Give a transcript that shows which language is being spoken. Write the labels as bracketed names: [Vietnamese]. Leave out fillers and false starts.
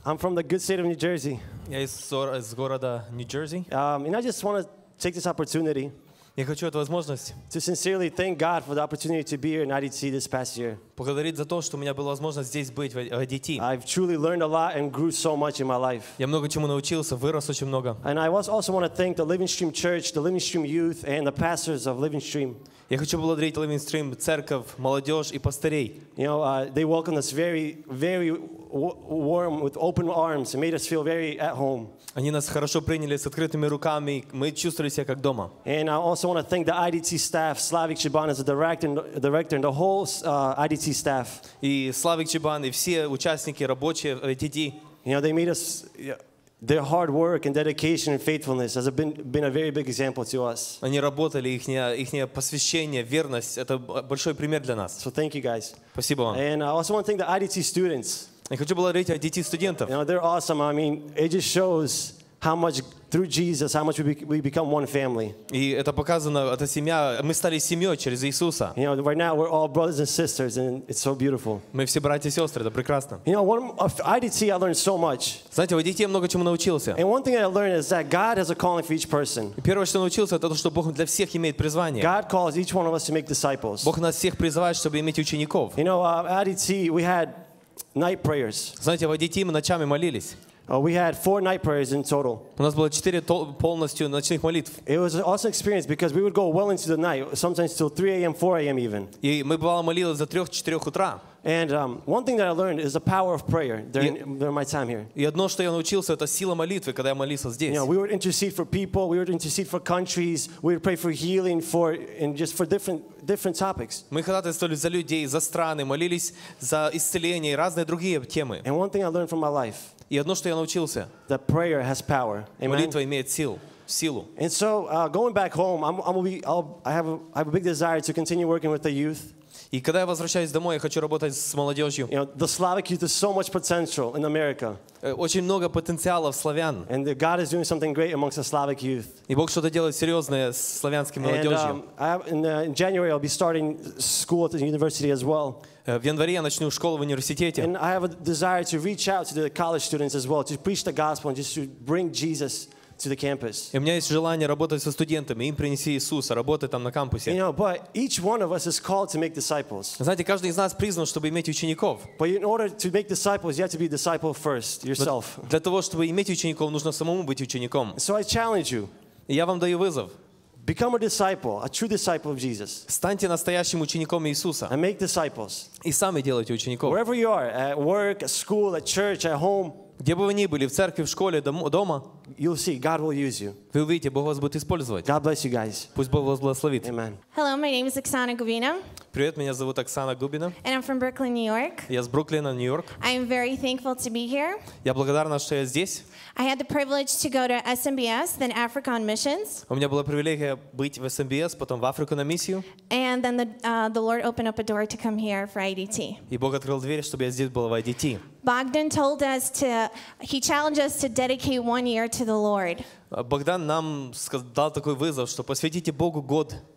[English] I'm from the good state of New Jersey. [Russian] Я из города New Jersey. [English] And I just want to take this opportunity. [Russian] Я хочу эту возможность. [English] To sincerely thank God for the opportunity to be here in IDT this past year. [Russian] Поблагодарить за то, что у меня была возможность здесь быть в IDT. [English] I've truly learned a lot and grew so much in my life. [Russian] Я много чему научился, вырос очень много. [English] And I also want to thank the Living Stream Church, the Living Stream Youth, and the pastors of Living Stream. [Russian] Я хочу поблагодарить Living Stream, церковь, молодежь и пастырей. [English] You know, they welcomed us very, very warm with open arms and made us feel very at home. [Russian] Они нас хорошо приняли с открытыми руками, мы чувствовали себя как дома. [English] And I also want to thank the IDT staff, Slavik Chiban as the director and the whole IDT staff. [Russian] И Slavik Chiban и все участники рабочие в IDT. [English] You know, they made us, their hard work and dedication and faithfulness has been a very big example to us. [Russian] Они работали, ихнее посвящение, верность, это большой пример для нас. [English] So thank you guys. [Russian] Спасибо вам. [English] And I also want to thank the IDT students. [Russian] Я хочу благодарить IDT студентов. [English] You know, they're awesome. I mean, it just shows how much through Jesus, how much we become one family. [Russian] И это показано, эта семья, мы стали семьей через Иисуса. [English] You know, right now we're all brothers and sisters, and it's so beautiful. [Russian] Мы все братья и сестры, это прекрасно. [English] You know, one of IDT, I learned so much. [Russian] Знаете, в IDT я много чему научился. [English] And one thing I learned is that God has a calling for each person. [Russian] Первое, что научился, это то, что Бог для всех имеет призвание. [English] God calls each one of us to make disciples. [Russian] Бог нас всех призывает, чтобы иметь учеников. [English] You know, at IDT we had night prayers. [Russian] Знаете, в IDT мы ночами молились. [English] We had 4 night prayers in total. [Russian] У нас было 4 полностью ночных молитв. [English] It was an awesome experience because we would go well into the night, sometimes till 3 a.m., 4 a.m. even. [Russian] И мы бывало молились до 3-4 утра. [English] And one thing that I learned is the power of prayer during my time here. [Russian] И одно, что я научился, это сила молитвы, когда я молился здесь. [English] You know, we would intercede for people, we would intercede for countries, we would pray for healing, for different topics. [Russian] Мы ходатайствовали за людей, за страны, молились за исцеление и разные другие темы. [English] And one thing I learned from my life. [Russian] И одно, что я научился. [English] That prayer has power. Amen? [Russian] Молитва имеет силу. Силу. [English] And so going back home, I have a big desire to continue working with the youth. [Russian] И когда я возвращаюсь домой, я хочу работать с молодежью. [English] You know, the Slavic youth has so much potential in America. [Russian] Очень много потенциала в славян. [English] And God is doing something great amongst the Slavic youth. [Russian] И Бог что-то делает серьезное с славянским молодежью. [English] And in January I'll be starting school at the university as well. [Russian] В январе я начну школу в университете. [English] And I have a desire to reach out to the college students as well, to preach the gospel and just to bring Jesus to the campus. [Russian] И у меня есть желание работать со студентами, им принести Иисуса, работать там на кампусе. [English] You know, but each one of us is called to make disciples. [Russian] Знаете, каждый из нас призван, чтобы иметь учеников. [English] But in order to make disciples, you have to be a disciple first yourself. [Russian] Для того, чтобы иметь учеников, нужно самому быть учеником. [English] So I challenge you. [Russian] Я вам даю вызов. [English] Become a disciple, a true disciple of Jesus. [Russian] Станьте настоящим учеником Иисуса. [English] And make disciples. [Russian] И сами делайте учеников. [English] Wherever you are, at work, at school, at church, at home. [Russian] Где бы вы ни были, в церкви, в школе, дома. [English] You'll see, God will use you. [Russian] Вы увидите, Бог вас будет использовать. [English] God bless you guys. [Russian] Пусть Бог вас благословит. [English] Amen. Hello, my name is Оксана Губина. [Russian] Привет, меня зовут Оксана Губина. [English] And I'm from Brooklyn, New York. [Russian] Я с Бруклина, Нью-Йорк. [English] I'm very thankful to be here. [Russian] Я благодарна, что я здесь. [English] I had the privilege to go to SMBS, then Africa on Missions. [Russian] У меня была привилегия быть в SMBS, потом в Африку на миссию. [English] And then the Lord opened up a door to come here for IDT. [Russian] И Бог открыл дверь, чтобы я здесь был в IDT. [English] Bogdan told us to, he challenged us to dedicate 1 year to the Lord. [Russian] Богдан нам дал такой вызов, что посвятите Богу год.